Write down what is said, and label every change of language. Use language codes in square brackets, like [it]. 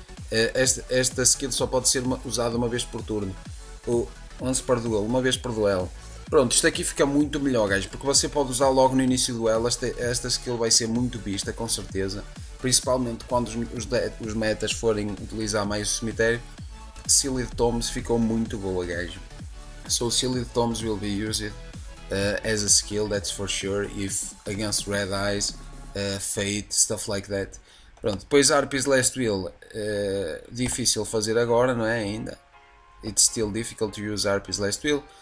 [pt] Esta skill só pode ser usada uma vez por turno. Ou [en] once per duel, [pt] uma vez por duelo. Pronto, isto aqui fica muito melhor, gajo, porque você pode usar logo no início do duelo. Esta skill vai ser muito vista, com certeza, principalmente quando os metas forem utilizar mais o cemitério. Sealed Tombs ficou muito boa, gajo. [en] So Sealed Tombs will be used as a skill, that's for sure, if against Red Eyes, Fate, stuff like that. [pt] Pronto, depois Harpy's Last Will, difícil fazer agora, não é ainda? [en] It's still difficult to use Harpy's Last Will.